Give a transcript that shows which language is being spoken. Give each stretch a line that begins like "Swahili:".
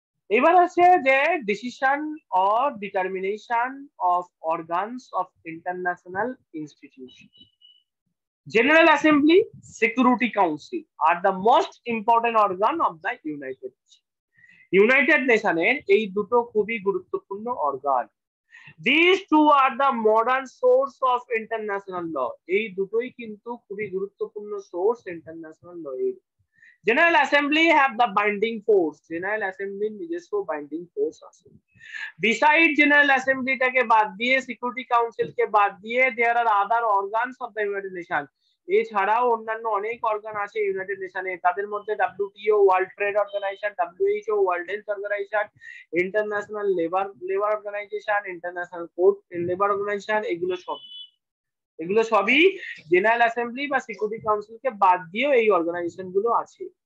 English: এবার আছে যে decision or determination of organs of international institution, general assembly security council আর the most important organ of the United Nation,
Bangla: United নেশনের এই দুটো খুবই গুরুত্বপূর্ণ organ,
English: These two are the modern source of international law.
Bangla: এই দুটোই কিন্তু খুবই গুরুত্বপূর্ণ source international law এর।
English: General Assembly have the binding force. General Assembly
Bangla: নিজস্ব
English: binding force
Bangla: আছে।
English: Besides General Assembly
Bangla: টাকে বাদ দিয়ে
English: Security Council
Bangla: কে বাদ দিয়ে
English: there are other organs of the United Nations.
Bangla: এছাড়াও অন্যান্য অনেক অর্গান আছে ইউনাইটেড নেশনে, তাদের মধ্যে WTO world trade organisation, WHO world health organisation, international labour organisation, international court labour organisation, এগুলো সবই জেনারেল অ্যাসেম্বলি বা সিকিউরিটি কাউন্সিলকে বাদ দিয়েও এই অর্গানাইজেশন গুলো আছে।